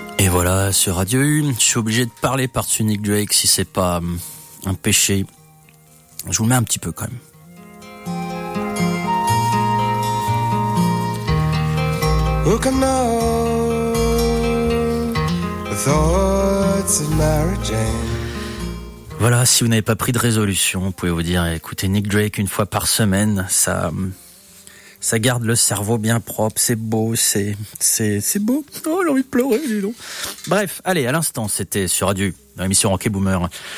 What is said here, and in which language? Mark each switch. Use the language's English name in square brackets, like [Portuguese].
[French] Voilà, sur Radio 1, je suis obligé de parler par-dessus Nick Drake si c'est pas un péché. Je vous le mets un petit peu quand même. [English] Who can know the thoughts of Mary Jane? [French] Voilà, si vous n'avez pas pris de résolution, vous pouvez vous dire écoutez Nick Drake une fois par semaine, ça garde le cerveau bien propre, c'est beau, c'est beau. Oh, j'ai envie de pleurer, dis donc. Bref, allez, à l'instant, c'était sur Radio, dans l'émission Rocket Boomer.